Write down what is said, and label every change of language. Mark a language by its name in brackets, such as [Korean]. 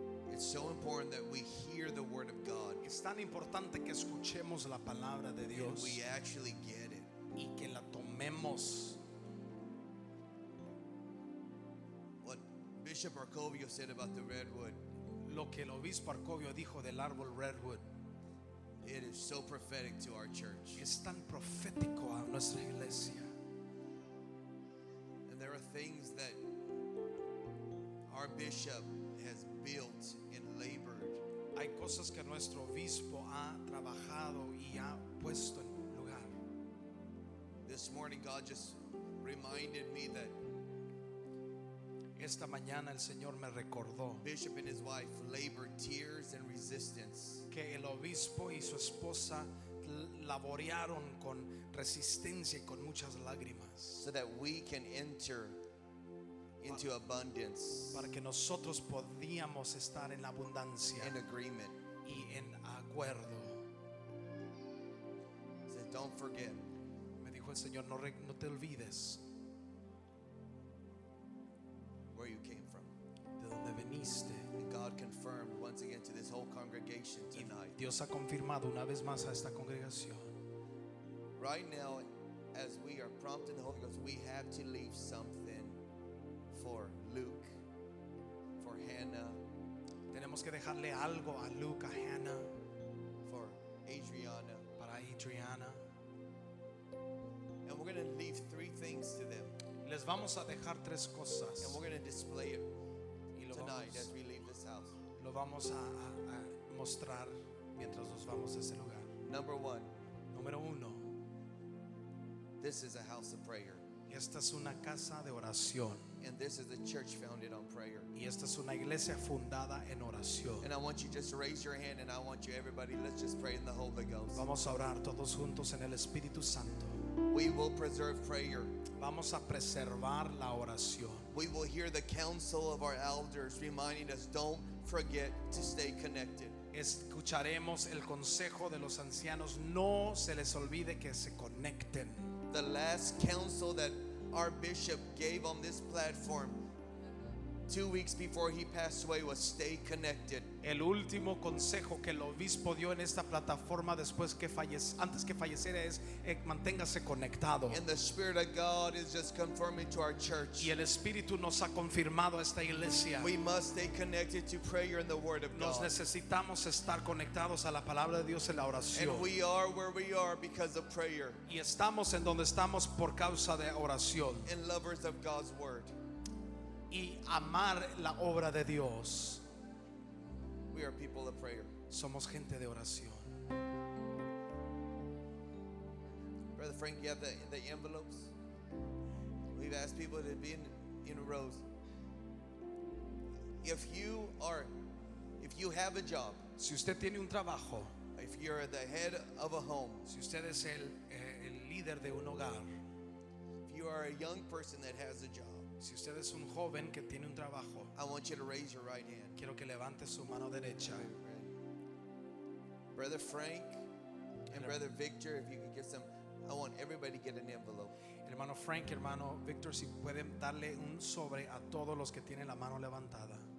[English] It's so important that we hear the word of God. [Spanish] Es tan importante que escuchemos la palabra de Dios. [English] And we actually get it. [Spanish] Y que la tomemos. [English] Bishop Arcovio said about the redwood. [Spanish] Lo que el obispo Arcovio dijo del árbol redwood. [English] It is so prophetic to our church. [Spanish] Es tan profético a nuestra iglesia. [English] And there are things that our bishop has built and labored. [Spanish] Hay cosas que nuestro obispo ha trabajado y ha puesto en lugar. [English] This morning God just reminded me that [Spanish] esta mañana el Señor me recordó [English] Bishop and his wife labored tears and resistance. [Spanish] Que el obispo y su esposa laborearon con resistencia y con muchas lágrimas. [English] So that we can enter into abundance. [Spanish] Para que nosotros podíamos estar en la abundancia. [English] In agreement. [Spanish] Y en acuerdo. [English] He said, "Don't forget." [Spanish] Me dijo el Señor, no te olvides. [English] Where you came from. [Spanish] De donde veniste. [English] And God confirmed once again to this whole congregation tonight. [Spanish] Dios ha confirmado una vez más a esta congregación. [English] Right now, as we are prompting the Holy Ghost, we have to leave something for Luke, for Hannah. [Spanish] Tenemos que dejarle algo a Luke, a Hannah. [English] For Adriana. [Spanish] Para Adriana. [English] And we're going to leave three things to them. [Spanish] Les vamos a dejar tres cosas. [English] And we're going to display it tonight as we leave this house. [Spanish] Lo vamos a mostrar mientras nos vamos a ese lugar. [English] Number one. [Spanish] Número uno. [English] This is a house of prayer. [Spanish] Esta es una casa de oración. [English] And this is a church founded on prayer. [Spanish] Y esta es una iglesia fundada en oración. [English] And I want you just to raise your hand, and I want you everybody, let's just pray in the Holy Ghost. [Spanish] Vamos a orar todos juntos en el Espíritu Santo. [English] We will preserve prayer. [Spanish] Vamos a preservar la oración. [English] We will hear the counsel of our elders reminding us, don't forget to stay connected. [Spanish] Escucharemos el consejo de los ancianos, no se les olvide que se conecten. [English] The last counsel that our bishop gave on this platform 2 weeks before he passed away was stay connected. [Spanish] El último consejo que el obispo dio en esta plataforma después que fallece, antes que falleciera, es manténgase conectado. [English] And the Spirit of God is just confirming to our church. [Spanish] Y el Espíritu nos ha confirmado esta iglesia. [English] We must stay connected to prayer and the Word of God. [Spanish] Nos necesitamos estar conectados a la palabra de Dios en la oración. [English] And we are where we are because of prayer. [Spanish] Y estamos en donde estamos por causa de oración. [English] And lovers of God's Word. [Spanish] Y amar la obra de Dios. [English] We are people of prayer. [Spanish] Somos gente de oración. [English] Brother Frank, you have the envelopes. We've asked people to be in rows. If you have a job. [Spanish] Si usted tiene un trabajo. [English] If you're the head of a home. [Spanish] Si usted es el líder de un hogar. [English] If you are a young person that has a job. [Spanish] Si usted es un joven que tiene un trabajo, [English] I want you to raise your right hand. [Spanish] Quiero que levante su mano derecha. [English] Brother Frank and Brother Victor, if you could get some, I want everybody to get an envelope. [Spanish] Hermano Frank, hermano Victor, si pueden darle un sobre a todos los que tienen la mano levantada.